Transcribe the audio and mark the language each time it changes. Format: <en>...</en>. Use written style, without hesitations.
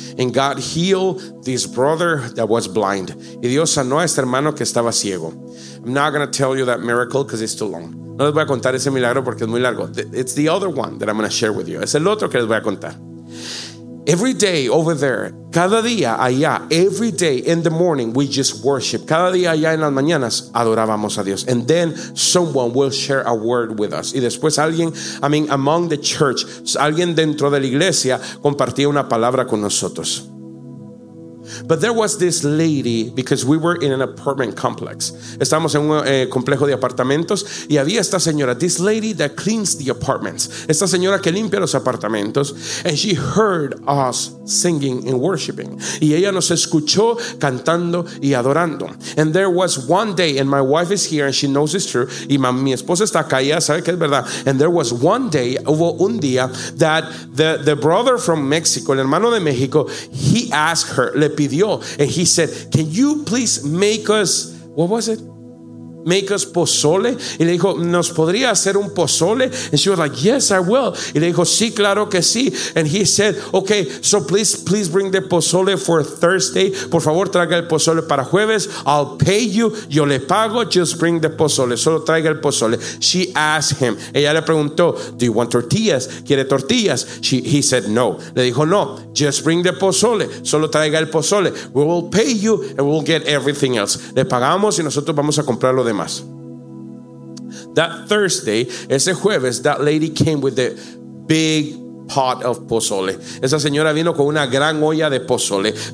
<en>And God healed this brother that was blind.</en> <es>Y Dios sanó a este hermano que estaba ciego.</es> <en>I'm not going to tell you that miracle because it's too long.</en> <es>No les voy a contar ese milagro porque es muy largo.</es> <en>It's the other one that I'm going to share with you.</en> <es>Es el otro que les voy a contar.</es> <en>Every day over there,</en> <es>cada día allá,</es> <en>every day in the morning, we just worship.</en> <es>Cada día allá en las mañanas, adorábamos a Dios.</es> <en>And then someone will share a word with us.</en> <es>Y después alguien,</es> <en>I mean, among the church,</en> <es>alguien dentro de la iglesia compartía una palabra con nosotros.</es> <en>But there was this lady, because we were in an apartment complex.</en> <es>Estamos en un complejo de apartamentos. Y había esta señora,</es> <en>this lady that cleans the apartments.</en> <es>Esta señora que limpia los apartamentos.</es> <en>And she heard us singing and worshiping.</en> <es>Y ella nos escuchó cantando y adorando.</es> <en>And there was one day, and my wife is here and she knows it's true.</en> <es>Y mi esposa está acá, ella sabe que es verdad.</es> <en>And there was one day,</en> <es>hubo un día,</es> <en>that the brother from Mexico,</en> <es>el hermano de México,</es> <en>he asked her,</en> <es>le pidió,</es> <en>and he said, "Can you please make us, what was it? Make us pozole."</en> <es>Y le dijo, "¿Nos podría hacer un pozole?"</es> <en>And she was like, "Yes, I will."</en> <es>Y le dijo, "Sí, claro que sí."</es> <en>And he said, "Okay, so please bring the pozole for Thursday.</en> <es>Por favor, traiga el pozole para jueves.</es> <en>I'll pay you.</en> <es>Yo le pago.</es> <en>Just bring the pozole.</en> <es>Solo traiga el pozole."</es> <en>She asked him.</en> <es>Ella le preguntó,</es> <en>"Do you want tortillas?</en> <es>¿Quiere tortillas?"</es> <en>He said, "No."</en> <es>Le dijo, "No.</es> <en>Just bring the pozole.</en> <es>Solo traiga el pozole.</es> <en>We will pay you and we'll get everything else.</en> <es>Le pagamos y nosotros vamos a comprarlo demás."</es> <en>That Thursday,</en> <es>ese jueves,</es> <en>that lady came with a big pot of pozole.</en> <es>Esa señora vino con una gran olla de pozole.</es>